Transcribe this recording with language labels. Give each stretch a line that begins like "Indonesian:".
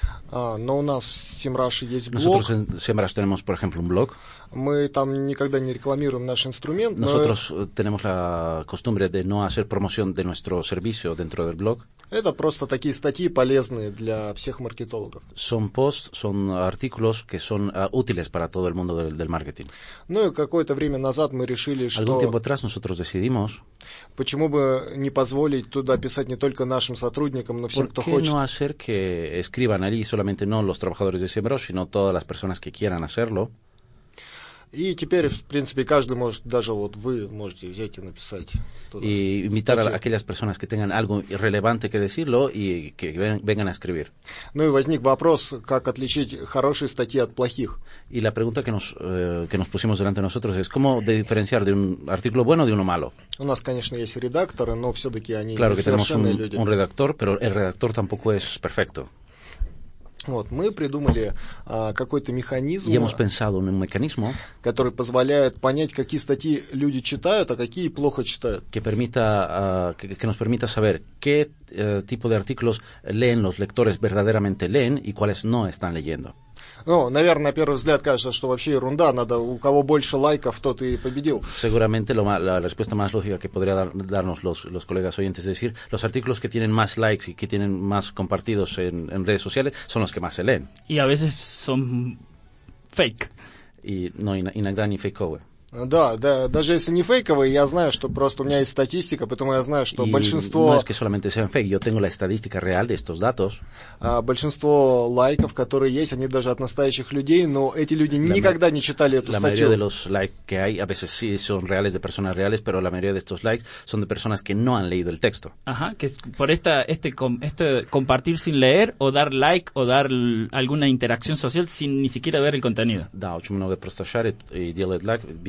Russian: No, у нас SEMrush есть блог.
Spanish: Nosotros en SEMrush tenemos, por ejemplo, un blog.
Russian: Мы там никогда не рекламируем наш инструмент.
Spanish: Nosotros tenemos la costumbre de no hacer promoción de nuestro servicio dentro del blog.
Russian: Это просто такие статьи полезные для всех маркетологов.
Spanish: Son posts, son artículos que son útiles para todo el mundo del marketing.
Russian: Ну и какое-то время назад мы решили, что...
Spanish: Algún tiempo atrás nosotros decidimos...
Russian: Почему бы не позволить туда писать не только нашим сотрудникам, но всем, кто хочет.
Spanish: ¿Por qué no hacer que escriban allí solamente no los trabajadores de SEMrush, sino todas las personas que quieran hacerlo?
Russian: И теперь, в принципе, каждый может, даже вот вы можете взять и написать.
Spanish: И invitar a aquellas personas que tengan algo relevante que decirlo y que vengan a escribir.
Russian: Ну и возник вопрос, как отличить хорошие статьи от плохих.
Spanish: Y la pregunta que nos pusimos delante de nosotros es, ¿cómo diferenciar de un artículo bueno de uno malo?
Russian: У нас, конечно, есть редакторы, но все-таки они
Spanish: claro
Russian: не совершенные люди.
Spanish: Claro que tenemos un redactor, pero el redactor tampoco es perfecto.
Russian: Вот, мы придумали какой-то механизм,
Spanish: hemos pensado un mecanismo,
Russian: который позволяет понять, какие статьи люди читают, а какие плохо читают.
Spanish: Que permita, que nos permita saber qué tipo de artículos leen los lectores verdaderamente leen y cuáles no están leyendo.
Russian: Ну, наверное, на первый взгляд кажется, что вообще ерунда, надо у кого больше лайков, тот и победил.
Spanish: Seguramente la respuesta más lógica que podría darnos los colegas oyentes es decir, los artículos que tienen más likes y que tienen más compartidos en redes sociales son los que más se leen. Y a veces son fake. Y no, y
Russian: на грани фейковые. Да, да, даже если не фейковые, я знаю, что просто у меня есть статистика, поэтому я знаю, что
Spanish: y
Russian: большинство...
Spanish: No es que solamente sean fake, yo tengo la estadística real de estos datos.
Russian: Большинство лайков, которые есть, они даже от настоящих людей, но эти люди никогда не читали эту статью.
Spanish: La mayoría de los likes que hay, a veces sí son reales de personas reales, pero la mayoría de estos likes son de personas que no han leído el texto. Ajá, que es por este compartir sin leer, o dar like, o dar alguna interacción social sin ni siquiera ver el contenido.
Russian: Да, очень много просто шарит и делает лайк...